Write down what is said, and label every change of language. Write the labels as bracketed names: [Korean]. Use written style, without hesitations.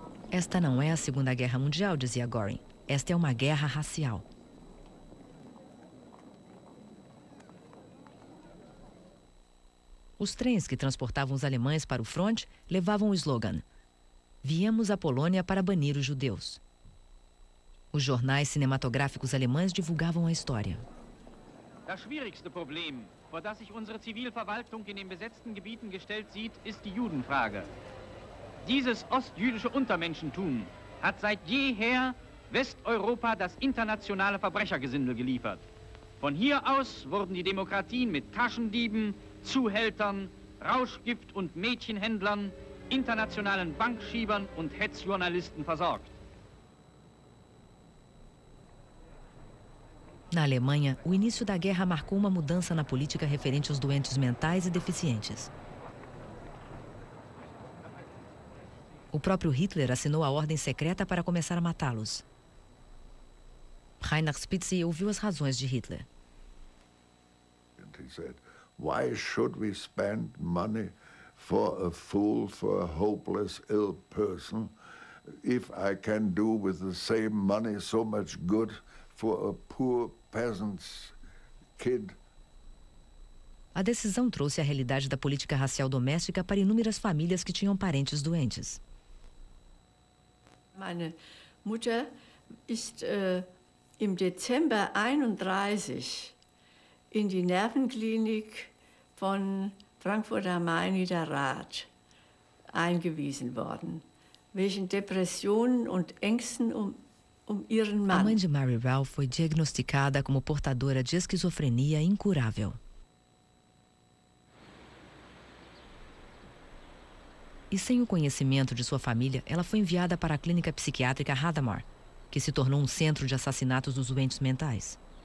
[Portuguese] Esta não é a Segunda Guerra Mundial, dizia Göring. Esta é uma guerra racial. Os trens que transportavam os alemães para o front levavam o slogan: "Viemos à Polônia para banir os judeus." Os jornais cinematográficos alemães divulgavam a história. [German] Das schwierigste Problem, vor das sich unsere Zivilverwaltung in den besetzten Gebieten gestellt sieht, ist die Judenfrage. Dieses ostjüdische Untermenschentum hat seit jeher Westeuropa das internationale Verbrechergesindel geliefert. Von hier aus wurden die Demokratien mit Taschendieben, Zuhältern, Rauschgift- und Mädchenhändlern, internationalen Bankschiebern und Hetzjournalisten versorgt. [Portuguese] Na Alemanha, o início da guerra marcou uma mudança na política referente aos doentes mentais e deficientes. O próprio Hitler assinou a ordem secreta para começar a matá-los. Reiner Spitze ouviu as razões de Hitler. [English] Why should we spend money for a fool, for a hopeless, ill person, if I can do with the same money so much good for a poor peasant's kid? [Portuguese] A decisão trouxe a realidade da política racial doméstica para inúmeras famílias que tinham parentes doentes. [German] Meine Mutter ist im Dezember 31 in die Nervenklinik von Frankfurt am Main der Rat eingewiesen worden, wegen Depressionen und Ängsten um ihren Mann. [Portuguese] A mãe de Mary Ralph foi diagnosticada como portadora de esquizofrenia incurável. E sem o conhecimento de sua família, ela foi enviada para a clínica psiquiátrica Hadamar, que se tornou um centro de assassinatos dos doentes mentais.